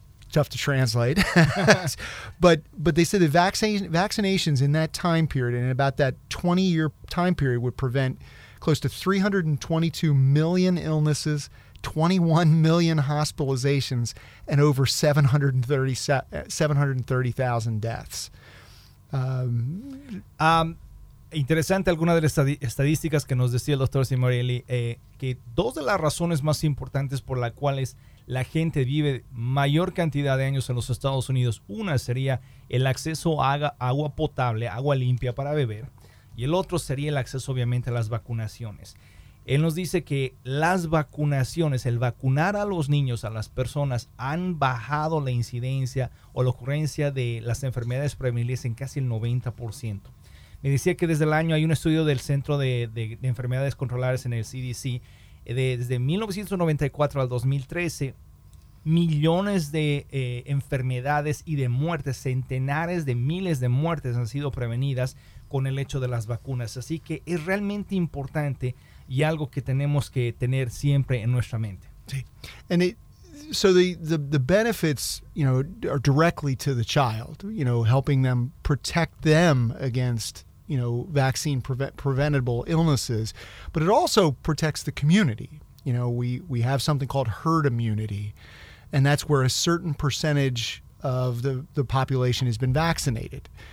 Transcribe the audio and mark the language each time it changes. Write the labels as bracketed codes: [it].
[en] tough to translate, but they said that vaccinations in that time period, and in about that 20-year time period, would prevent close to 322 million illnesses, 21 million hospitalizations, and over 730,000 deaths. [es] Interesante alguna de las estadísticas que nos decía el doctor Simorelli, que dos de las razones más importantes por las cuales la gente vive mayor cantidad de años en los Estados Unidos, una sería el acceso a agua potable, agua limpia para beber, y el otro sería el acceso obviamente a las vacunaciones. Él nos dice que las vacunaciones, el vacunar a los niños, a las personas, han bajado la incidencia o la ocurrencia de las enfermedades prevenibles en casi el 90%. Me decía que desde el año, hay un estudio del Centro de Enfermedades Controlables en el CDC, desde 1994 al 2013, millones de enfermedades y de muertes, centenares de miles de muertes han sido prevenidas con el hecho de las vacunas. Así que es realmente importante y algo que tenemos que tener siempre en nuestra mente. Sí. [en] And the benefits, you know, are directly to the child, you know, helping them protect them against, you know, vaccine preventable illnesses, but it also protects the community. You know, we have something called herd immunity, and that's where a certain percentage of the population has been vaccinated.